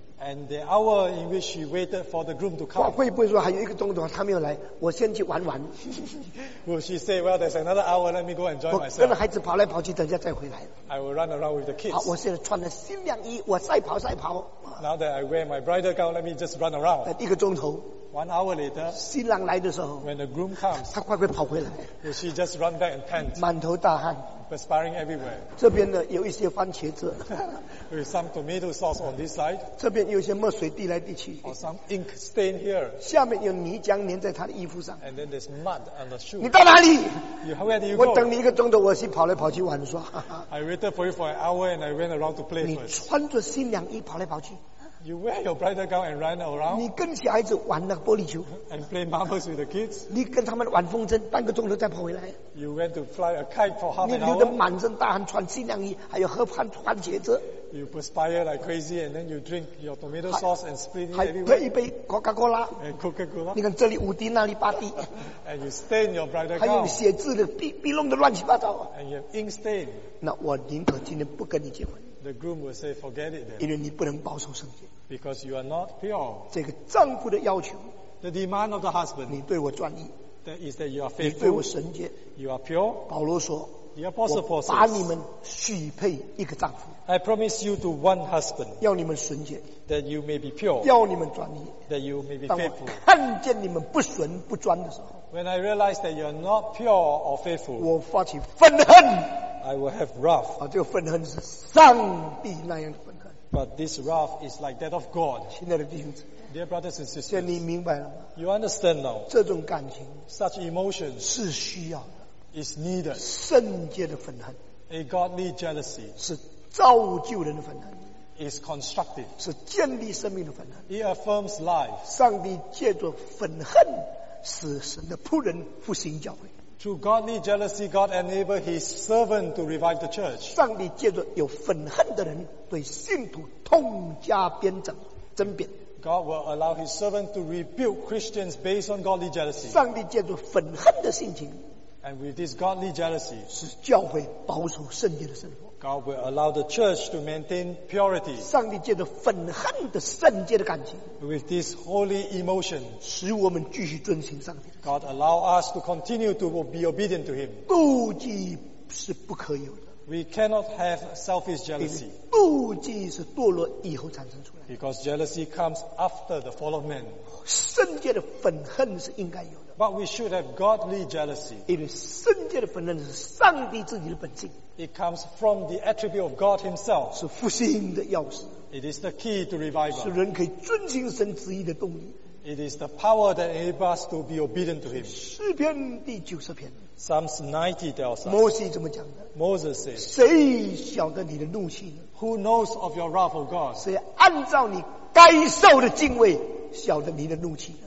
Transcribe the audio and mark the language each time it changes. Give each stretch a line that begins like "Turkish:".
English: and the hour in which she waited for the groom to come.
Chinese: 会不会说还有一个钟头他没有来, 我先去玩玩。
English: Will she say, well, there's another hour, let me go enjoy myself.
Chinese: 我跟孩子跑来跑去, 等一下再回来。
English: I will run around with the kids.
Chinese: 好, 我现在穿了新娘衣, 我赛跑赛跑。
English: Now that I wear my bridal gown, let me just run around.
Chinese: 一个钟头,
English: one hour later,
Chinese: 新郎来的时候,
English: when the groom comes,
Chinese: 他快快跑回来。
English: Will she just run back and pant?
Chinese: 满头大汗。
English: Perspiring everywhere.
Chinese: 这边呢有一些番茄子。
English: With some tomato sauce on this side.
Chinese: 这边有一些墨水滴来滴去。
English: Or some ink stain here.
Chinese: 下面有泥浆粘在他的衣服上。
English: And then there's mud on the shoe.
Chinese: 你到哪里?
English: Where do you go?
Chinese: 我等你一个钟头，我去跑来跑去玩耍。
English: I waited for you for an hour and I went around to play.
Chinese: 你穿着新娘衣跑来跑去。
English: You wear your bridal gown and run around.
Chinese: 你跟小孩子玩那个玻璃球,
English: and play marbles with the kids.
Chinese: 你跟他们玩风筝，半个钟头再跑回来。
English: You went to fly a kite for half an hour.
Chinese: 你流得满身大汗，穿新娘衣，还有喝番茄汁。
English: You perspire like crazy, and then you drink your tomato sauce and spritz everywhere.
Chinese: 还喝一杯 Coca-Cola.
English: And Coca-Cola.
Chinese: 你看这里五滴，那里八滴。
English: And you stain your bridal gown.
Chinese: 还用写字的笔弄得乱七八糟。
English: And you have ink stain.
Chinese: 那我宁可今天不跟你结婚。
English: The groom will say, forget it then.
Chinese: 因为你不能保守圣洁。
English: Because you are not pure.
Chinese: 这个丈夫的要求,
English: the demand of the husband,
Chinese: 你对我专一,
English: that is that you are faithful,
Chinese: 你对我圣洁,
English: you are pure.
Chinese: 保罗说,
English: the apostle Paul says,
Chinese: 把你们许配一个丈夫,
English: I promise you to one husband,
Chinese: 要你们纯洁,
English: that you may be pure,
Chinese: 要你们专一,
English: that you may be faithful.
Chinese: 当我看见你们不纯不专的时候,
English: when I realize that you are not pure or faithful,
Chinese: 我发起愤恨,
English: I will have wrath.
Chinese: 这个愤恨是上帝那样的愤恨。
English: But this wrath is like that of God.
Chinese: 亲爱的弟兄姊,
English: Dear brothers and sisters,
Chinese: 现在你明白了吗?
English: You understand now.
Chinese: 这种感情,
English: such emotion
Chinese: 是需要的,
English: is needed.
Chinese: 圣洁的愤恨,
English: a godly jealousy
Chinese: 是造就人的愤恨,
English: is constructive.
Chinese: 是建立生命的愤恨,
English: it affirms life.
Chinese: 上帝借着愤恨, 使神的仆人复兴教会。
English: Through godly jealousy, God enabled His servant to revive the church.
Chinese: 上帝借着有愤恨的人对信徒痛加鞭整，针砭。
English: God will allow His servant to rebuke Christians based on godly jealousy.
Chinese: 上帝借着愤恨的心情,
English: and with this godly jealousy,
Chinese: 使教会保守圣洁的生活。
English: God will allow the church to maintain purity.
Chinese: 上帝借着愤恨的圣洁的感情,
English: with this holy emotion,
Chinese: 使我们继续遵行上帝。
English: God allow us to continue to be obedient to Him.
Chinese: 妒忌是不可有的。
English: We cannot have selfish jealousy.
Chinese: 妒忌是堕落以后产生出来的。
English: Because jealousy comes after the fall of man.
Chinese: 圣洁的愤恨是应该有的。
English: But we should have godly jealousy.
Chinese: 因为圣洁的愤恨是上帝自己的本性。
English: It comes from the attribute of God Himself.
Chinese: 是复兴的钥匙。
English: It is the key to revival.
Chinese: 是人可以遵行神旨意的动力。
English: It is the power that enables us to be obedient to Him.
Chinese: 诗篇第90篇。
English: Psalms 90 tells us.
Chinese: 摩西怎么讲的?
English: Moses says,
Chinese: 谁晓得你的怒气呢?
English: Who knows of your wrath, O God?
Chinese: 谁按照你该受的敬畏,晓得你的怒气？